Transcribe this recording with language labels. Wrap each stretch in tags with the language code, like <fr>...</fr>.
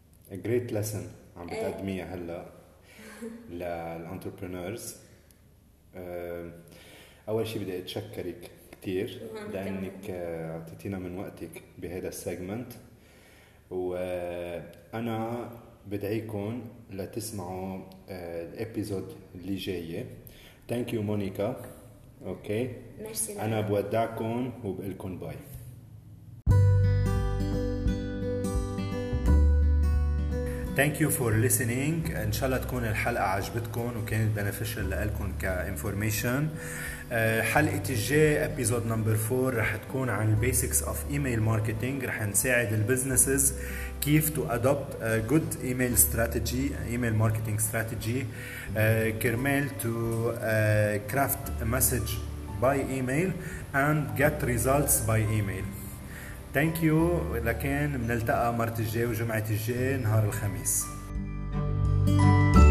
<en>A great lesson</en> <ar>عم بتقدميها هلا للانتربرينورز اول شيء بدي اتشكرك كتير لأنك عطيتينا من وقتك بهذا السيجمنت وأنا بدعيكم لتسمعوا الابيزود اللي جاية</ar> <en>Thank you Monica okay.</en> <ar>أنا بودعكم وبقلكم باي</ar> <en>Thank you for listening.</en> <ar>إن شاء الله تكون الحلقة عجبتكم وكانت beneficial لألكم كinformation. حلقة الجاي</ar> <en>episode number 4</en> <ar>رح تكون عن</ar> <en>basics of email marketing.</en> <ar>رح نساعد البزنسز كيف</ar> <en>to adopt a good email strategy, email marketing strategy,</en> <ar>كرمال</ar> <en>to craft a message by email and get results by email. Thank you.</en> <ar>لكن منلتقى مرة الجاي وجمعة الجاي نهار الخميس.</ar>